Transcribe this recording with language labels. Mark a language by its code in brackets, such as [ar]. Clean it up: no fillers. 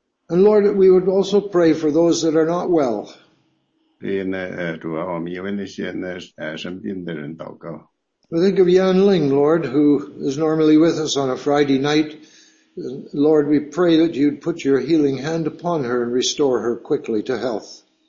[en] And Lord, we would also pray for those that are not well. [zh] 所以呢，主啊，我们也为那些生病的人祷告。 [en] I think of Yan Ling, Lord, who is normally with us on a Friday night. Lord, we pray that you'd put your healing hand upon her and restore her quickly to health.